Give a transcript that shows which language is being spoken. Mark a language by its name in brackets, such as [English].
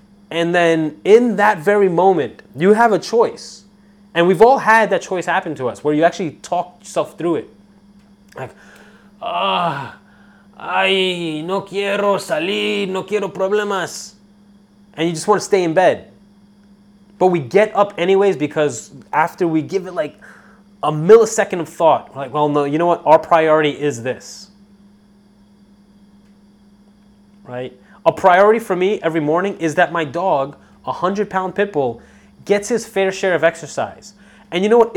[English] And then in that very moment, you have a choice. And we've all had that choice happen to us, where you actually talk yourself through it. [Spanish] Like, ay, no quiero salir, no quiero problemas. [English] And you just want to stay in bed. But we get up anyways, because after we give it like a millisecond of thought, we're like, well, no, you know what? Our priority is this. Right? A priority for me every morning is that my dog, a 100-pound pit bull, gets his fair share of exercise. And you know what?